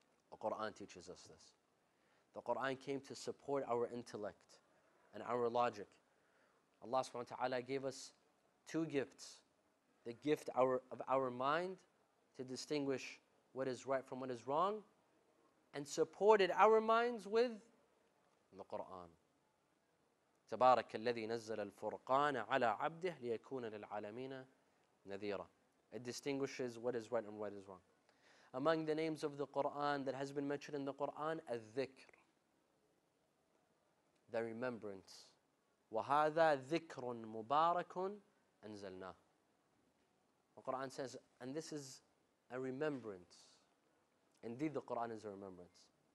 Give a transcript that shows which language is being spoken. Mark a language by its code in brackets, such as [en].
[en] The Quran teaches us this. The Quran came to support our intellect and our logic. Allah subhanahu wa ta'ala gave us two gifts. The gift of our mind to distinguish what is right from what is wrong, and supported our minds with the Quran. [ar] تبارك الذي نزل الفرقان على عبده ليكون للعالمين نذيرا. [en] It distinguishes what is right and what is wrong. Among the names of the Quran that has been mentioned in the Quran, الذكر, the remembrance. [ar] وهذا ذكر مبارك أنزلناه. [en] The Quran says, and this is a remembrance. Indeed, the Quran is a remembrance.